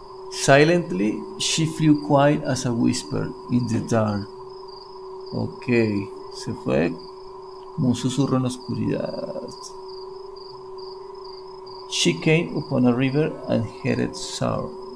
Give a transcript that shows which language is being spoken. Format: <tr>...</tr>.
<en>Silently, she flew quiet as a whisper in the dark.</en> <es>Ok, se fue como un susurro en la oscuridad.</es> <en>She came upon a river and headed south.</en>